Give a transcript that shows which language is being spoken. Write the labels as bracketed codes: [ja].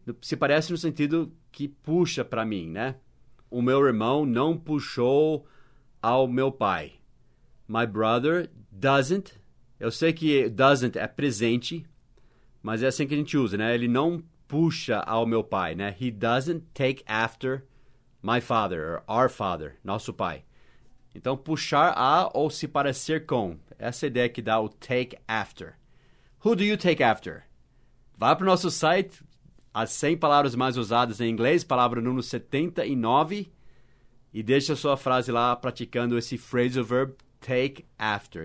[pt] Se parece no sentido que puxa para mim, né? O meu irmão não puxou ao meu pai. [en] My brother doesn't. [pt] Eu sei que doesn't é presente, mas é assim que a gente usa, né? Ele não puxa ao meu pai, né? [en] He doesn't take after my father, or our father, [pt] nosso pai. Então, puxar a ou se parecer com. Essa ideia que dá o take after. [en] Who do you take after? [pt] Vai para o nosso site. As 100 palavras mais usadas em inglês, palavra número 79. E deixa a sua frase lá praticando esse phrasal verb take after.